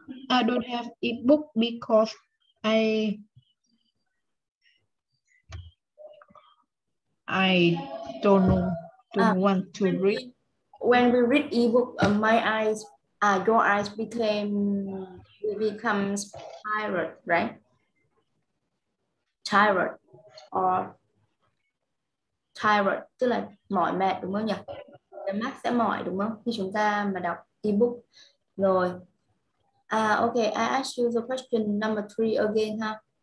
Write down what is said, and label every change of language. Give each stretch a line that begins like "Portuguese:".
English: I don't have ebook because I don't know want to read. When we read ebook, your eyes becomes tired, right? Tired or tired,
Vietnamese: tức là mỏi mệt đúng không nhỉ? Cái mắt sẽ mỏi đúng không? Khi chúng ta mà đọc ebook rồi.
English: Okay, I ask you the question number three again, huh?